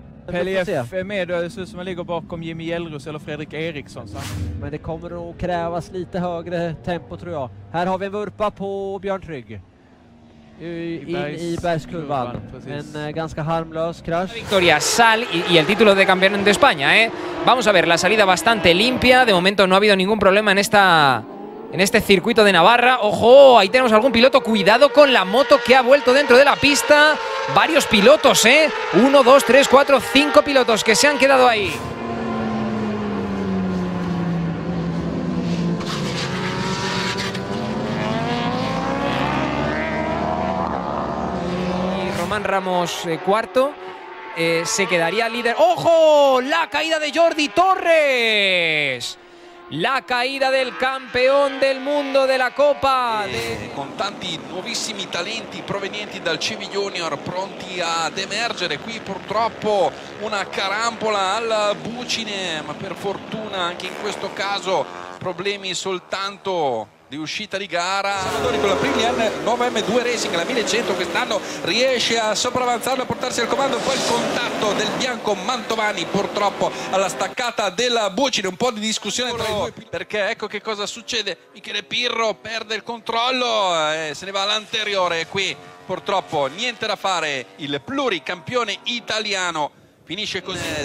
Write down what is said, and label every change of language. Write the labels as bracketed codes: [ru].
[sv] Pelle F är med, det ser ut som att ligger bakom Jimmy Gjellros eller Fredrik Eriksson. Så. Men det kommer nog krävas lite högre tempo tror jag. Här har vi en vurpa på Björn Trygg. I bergskurvan. En ganska harmlös krasch. [es] Victoria Sal y el título de campeón de España. Vamos a ver, la salida bastante limpia. De momento no ha habido ningún problema en este circuito de Navarra. ¡Ojo! Ahí tenemos algún piloto. Cuidado con la moto que ha vuelto dentro de la pista. Varios pilotos, ¿eh? Uno, dos, tres, cuatro, cinco pilotos que se han quedado ahí. Y Román Ramos, cuarto. Se quedaría líder. ¡Ojo! ¡La caída de Jordi Torres! La caída del campeón del mundo de la Copa. [it] Con tanti nuovissimi talenti provenienti dal CV Junior pronti ad emergere. Qui purtroppo una carambola al bucine, ma per fortuna anche in questo caso problemi soltanto di uscita di gara. Salvatore con la Prilian 9M2 Racing, la 1100 quest'anno riesce a sopravanzarlo, a portarsi al comando, poi il contatto del bianco Mantovani purtroppo alla staccata della Bucine, un po' di discussione tra i due, perché ecco che cosa succede: Michele Pirro perde il controllo e se ne va all'anteriore, e qui purtroppo niente da fare, il pluricampione italiano finisce così.